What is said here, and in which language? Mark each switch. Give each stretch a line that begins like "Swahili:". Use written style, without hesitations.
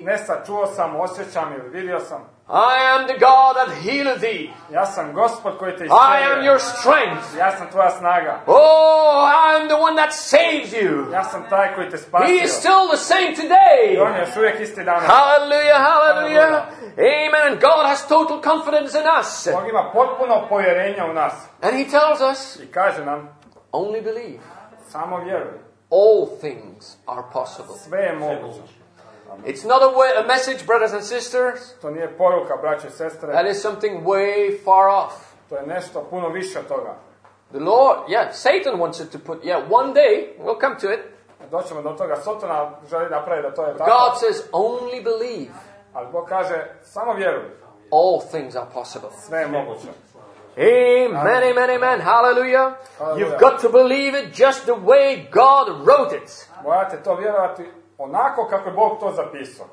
Croatian: Nesa, čuo sam, osjećam ili vidio sam.
English: I am the God that healeth thee.
Croatian: Ja sam Gospod koji te izbavlja.
English: I am your strength.
Croatian: Ja sam tvoja snaga.
English: Oh, I am the one that saves you.
Croatian: Ja sam taj koji te spasio.
English: He is still the same today.
Croatian: I on je još uvijek isti danas.
English: Hallelujah, hallelujah. Amen. And God has total confidence in us.
Croatian: Bog ima potpuno povjerenje u nas.
English: And he tells us.
Croatian: I kaže nam.
English: Only believe.
Croatian: Samo vjeruj.
English: All things are possible.
Croatian: Sve je moguće.
English: It's not a message, brothers and sisters.
Croatian: To nije poruka, braće i sestre.
English: That is something way far off.
Croatian: To je nešto puno više od toga.
English: The Lord, yeah, Satan wants it to put, yeah, one day, we'll come to it.
Croatian: Doćemo do toga, Satana želi napraviti da to je tako.
English: God says, only believe.
Croatian: Ali Bog kaže, samo vjeruj.
English: All things are possible.
Croatian: Sve je moguće.
English: Amen, amen, amen, hallelujah. Hallelujah. You've got to believe it just the way God wrote it.
Croatian: Morate to vjerovati onako kako je Bog to zapisao.